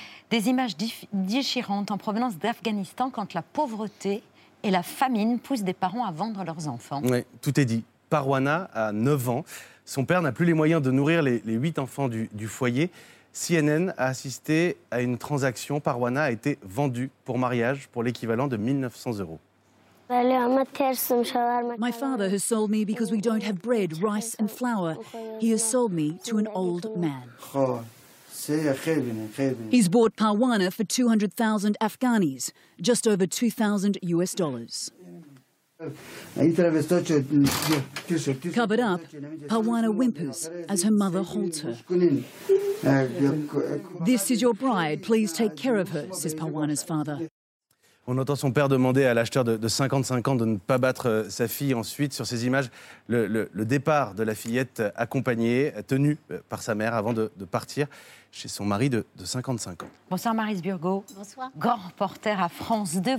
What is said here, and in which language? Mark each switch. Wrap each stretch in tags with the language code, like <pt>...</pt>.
<fr>Des images déchirantes en provenance d'Afghanistan quand la pauvreté et la famine poussent des parents à vendre leurs enfants. Oui, tout est dit. Parwana a 9 ans. Son père n'a plus les moyens de nourrir les 8 enfants du foyer. CNN a assisté à une transaction. Parwana a été vendue pour mariage pour l'équivalent de 1900 euros.</fr> <en>My father has sold me because we don't have bread, rice and flour. He has sold me to an old man. He's bought Parwana for 200,000 Afghanis, just over $2,000. Covered up, Parwana whimpers as her mother holds her. This is your bride, please take care of her, says Parwana's father.</en> <fr>On entend son père demander à l'acheteur de 55 ans de ne pas battre sa fille. Ensuite, sur ces images, le départ de la fillette accompagnée, tenue par sa mère avant de partir chez son mari de 55 ans. Bonsoir Maryse Burgo. Bonsoir. Grand reporter à France 2.</fr>